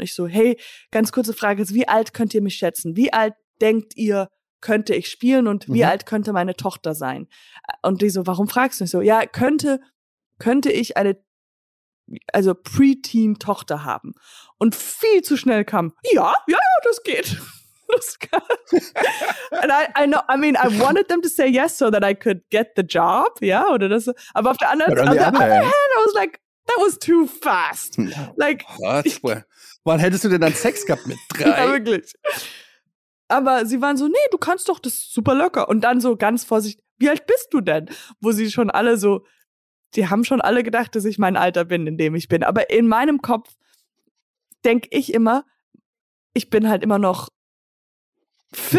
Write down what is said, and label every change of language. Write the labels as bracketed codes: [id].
[de] Ich so, hey, ganz kurze Frage, wie alt könnt ihr mich schätzen? Wie alt denkt ihr, könnte ich spielen und wie alt könnte meine Tochter sein? Und die so, warum fragst du mich so? Ja, könnte ich eine, also Preteen-Tochter haben? Und viel zu schnell kam, ja, das geht. Das kann. [en] And I wanted them to say yes so that I could get the job, yeah, [de] oder das, aber auf der anderen Seite, [en] I was like, that was too fast. Like, [de] wann hättest du denn dann Sex gehabt mit 3? Ja, wirklich. Aber sie waren so, nee, du kannst doch das super locker. Und dann so ganz vorsichtig, wie alt bist du denn? Wo sie schon alle so, die haben schon alle gedacht, dass ich mein Alter bin, in dem ich bin. Aber in meinem Kopf denke ich immer, ich bin halt immer noch 14.